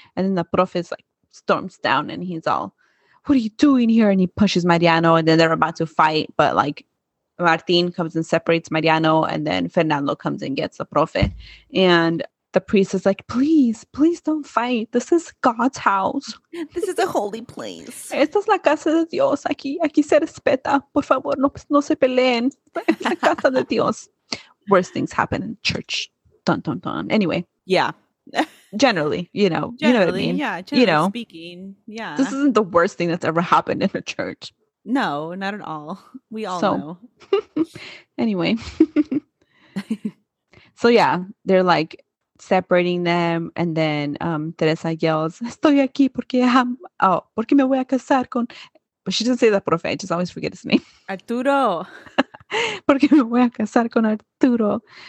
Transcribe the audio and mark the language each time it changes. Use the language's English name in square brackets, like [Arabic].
[English] And then the profe's like storms down and he's all, what are you doing here? And he pushes Mariano and then they're about to fight, but like Martin comes and separates Mariano and then Fernando comes and gets the profe and the priest is like, please don't fight, this is God's house, this is a holy place, [Spanish] esta es la casa de Dios, aquí se respeta, por favor no se peleen, es la casa de Dios. [English] Worst things happen in church. Dun, dun, dun. Anyway. Yeah. Generally, you know. Generally, you know what I mean? Yeah. Generally you know, speaking. Yeah. This isn't the worst thing that's ever happened in a church. No, not at all. We all know. Anyway. So, yeah. They're like separating them. And then Teresa yells, [Spanish] estoy aquí porque, porque me voy a casar con... [English] But she doesn't say that profe. I just always forget his name. Arturo. [Spanish] Porque me voy a casar con Arturo.